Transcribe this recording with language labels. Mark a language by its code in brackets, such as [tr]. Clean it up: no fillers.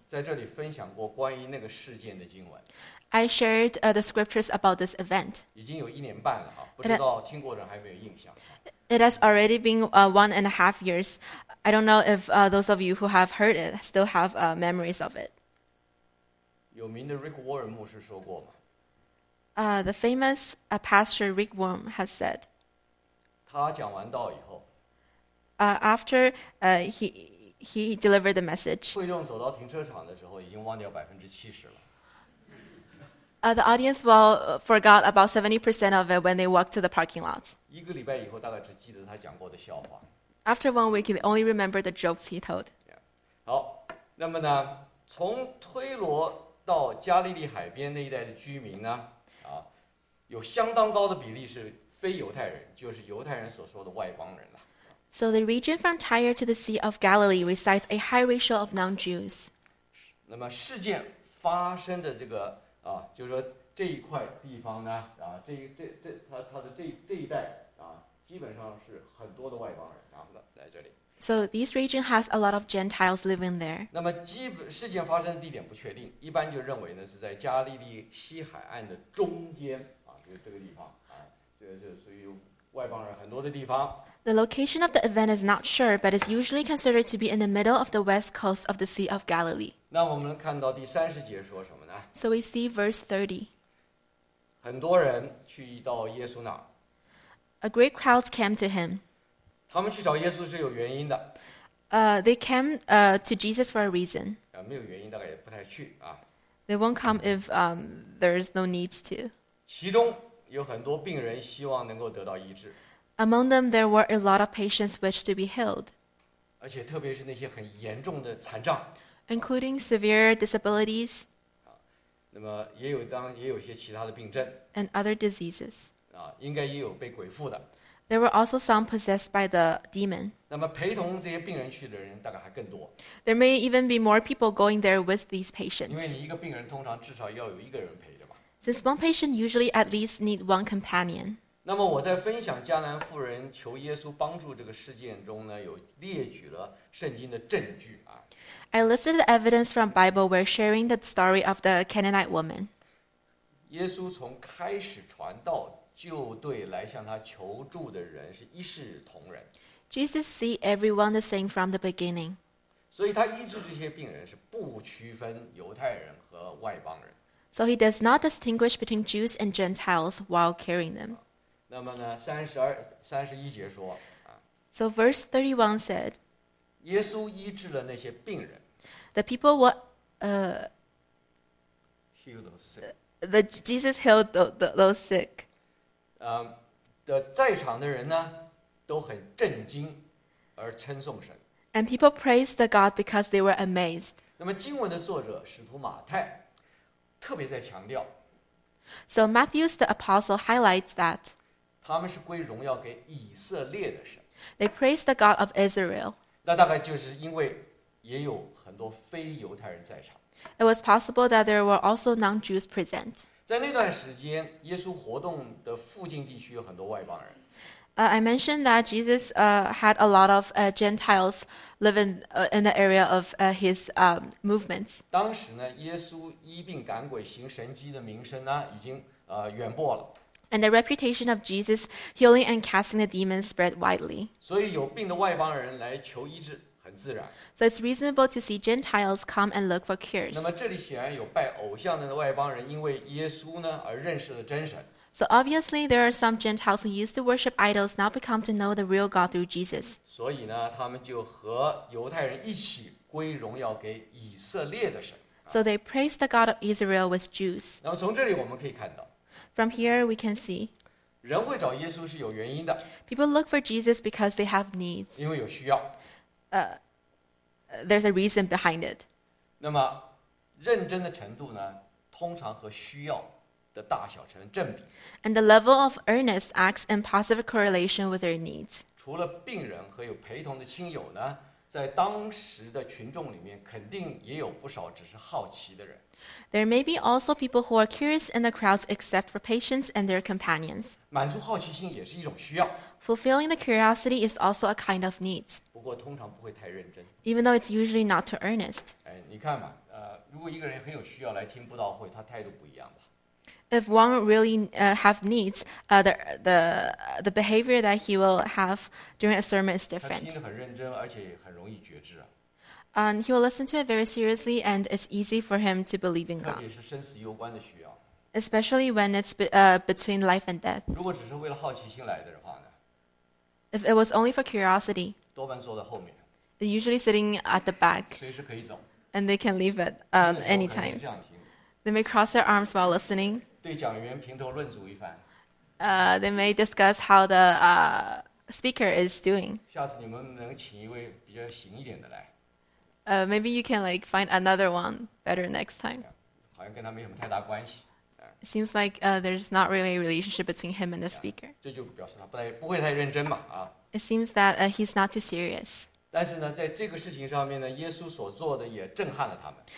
[zh] 在这里分享过关于那个事件的经文。 [en] I shared the scriptures about this event. [zh] 已经有一年半了，不知道听过的人还没有印象。 [en] It has already been 1.5 years. I don't know if those of you who have heard it still have memories of it. [zh] 有名的 Rick Warren 牧师说过吗？ [en] The famous pastor Rick Warren has said. [zh] 他讲完道以后。 [en] After he delivered the message. [zh] 会众走到停车场的时候，已经忘掉70%了。 [en] The audience well forgot about 70% of it when they walked to the parking lot. [zh] 一个礼拜以后，大概只记得他讲过的笑话。 [en] After 1 week, they only remember the jokes he told. Yeah. [zh] 好，那么呢，从推罗到加利利海边那一带的居民呢，啊，有相当高的比例是非犹太人，就是犹太人所说的外邦人了。 [en] So the region from Tyre to the Sea of Galilee resides a high ratio of non-Jews. [zh] 那么事件发生的这个啊，就是说这一块地方呢，啊，这一带啊，基本上是很多的外邦人啊的在这里。 [en] So this region has a lot of Gentiles living there. [zh] 那么事件发生的地点不确定，一般就认为呢是在加利利西海岸的中间啊，就是这个地方啊，这个就属于外邦人很多的地方。 [en] The location of the event is not sure, but is usually considered to be in the middle of the west coast of the Sea of Galilee. [zh] 那我们看到第三十节说什么呢？ [en] So we see verse 30. [zh] 很多人去到耶稣那。 [en] A great crowd came to him. [zh] 他们去找耶稣是有原因的。 [en] They came to Jesus for a reason. [zh] 啊，没有原因，大概也不太去啊。 [en] They won't come if there is no need to. [zh] 其中有很多病人希望能够得到医治。 [en] Among them, there were a lot of patients wish to be healed. [zh] 而且特别是那些很严重的残障。 [en] Including severe disabilities. 啊， [zh] 那么也有些其他的病症。 [en] And other diseases. [zh] 啊，应该也有被鬼附的。 [en] There were also some possessed by the demon. [zh] 那么陪同这些病人去的人大概还更多。 [en] There may even be more people going there with these patients. [zh] 因为你一个病人通常至少要有一个人陪着嘛。 [en] Since one patient usually at least need one companion. [zh] 那么我在分享迦南妇人求耶稣帮助这个事件中呢，有列举了圣经的证据啊。 [en] I listed the evidence from Bible where sharing the story of the Canaanite woman. [zh] 耶稣从开始传道就对来向他求助的人是一视同仁。 [en] Jesus see everyone the same from the beginning. [zh] 所以他医治这些病人是不区分犹太人和外邦人。 [en] So he does not distinguish between Jews and Gentiles while curing them. [zh] 那么呢，三十一节说啊。 [en] So verse 31 said, [zh] 耶稣医治了那些病人。 [en] The people were healed sick. The Jesus healed those sick. [zh] 的在场的人呢都很震惊而称颂神。 [en] And people praised the God because they were amazed. [zh] 那么经文的作者使徒马太特别在强调。 [en] So Matthew's the apostle highlights that. [zh] 他们是归荣耀给以色列的神。 [en] They praised the God of Israel. [zh] 那大概就是因为也有很多非犹太人在场。 [en] It was possible that there were also non-Jews present. [zh] 在那段时间，耶稣活动的附近地区有很多外邦人。 [en] I mentioned that Jesus had a lot of Gentiles living in the area of his movements. [zh] 当时呢，耶稣医病赶鬼行神迹的名声呢，已经远播了。 [en] And the reputation of Jesus healing and casting the demons spread widely. [zh] 所以有病的外邦人来求医治，很自然。 [en] So it's reasonable to see Gentiles come and look for cures. [zh] 那么这里显然有拜偶像的外邦人因为耶稣呢而认识了真神。 [en] So obviously there are some Gentiles who used to worship idols now become to know the real God through Jesus. [zh] 所以呢他们就和犹太人一起归荣耀给以色列的神。 [en] So they praised the God of Israel with Jews. [zh] 那么从这里我们可以看到。 [en] From here we can see. [zh] 人会找耶稣是有原因的。 [en] People look for Jesus because they have needs. [zh] 因为有需要。 [en] There's a reason behind it. [zh] 那么认真的程度呢通常和需要的大小成正比。 [en] And the level of earnest acts in positive correlation with their needs. [zh] 除了病人和有陪同的亲友呢在当时的群众里面肯定也有不少只是好奇的人。 [en] There may be also people who are curious in the crowds except for patients and their companions. [zh] 满足好奇心也是一种需要。 [en] Fulfilling the curiosity is also a kind of needs. [zh] 不过通常不会太认真。 [en] Even though it's usually not too earnest. [zh] 哎，你看嘛，如果一个人很有需要来听布道会，他态度不一样吧。 [en] If one really have needs, the behavior that he will have during a sermon is different. [zh] 他听得很认真，而且很容易觉知啊。 [en] And he will listen to it very seriously, and it's easy for him to believe in God. [zh] 特别是生死攸关的需要。 [en] Especially when it's between life and death. [zh] 如果只是为了好奇心来的话呢？ [en] If it was only for curiosity, [zh] 多半坐在后面。 [en] They're usually sitting at the back. [zh] 随时可以走。 [en] And they can leave at anytime. [zh] 这样听。 [en] They may cross their arms while listening. [zh] 对讲员评头论足一番。 [en] They may discuss how the speaker is doing. [zh] 下次你们能请一位比较行一点的来。 [en] Maybe you can like find another one better next time. [zh] 好像跟他没什么太大关系。 [en] Seems like there's not really a relationship between him and the speaker. [zh] 这就表示他不会太认真嘛啊。 [en] It seems that he's not too serious. [zh] 但是呢，在这个事情上面呢，耶稣所做的也震撼了他们。